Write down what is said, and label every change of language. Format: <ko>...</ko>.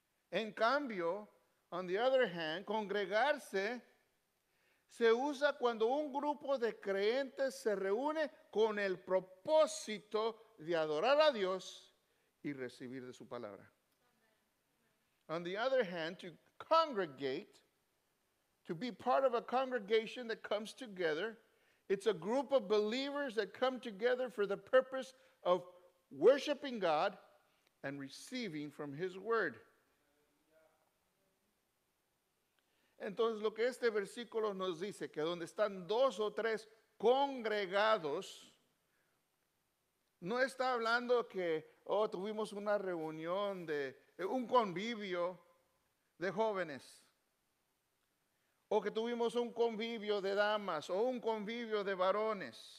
<es>En cambio,</es> <en>on the other hand,</en> <es>congregarse se usa cuando un grupo de creyentes se reúne con el propósito de adorar a Dios y recibir de su palabra.</es> <en>On the other hand, to congregate, to be part of a congregation that comes together, it's a group of believers that come together for the purpose of worshiping God and receiving from His word.</en> <es>Entonces, lo que este versículo nos dice, que donde están dos o tres congregados, no está hablando que, oh, tuvimos una reunión de un convivio de jóvenes, o que tuvimos un convivio de damas, o un convivio de varones.</es>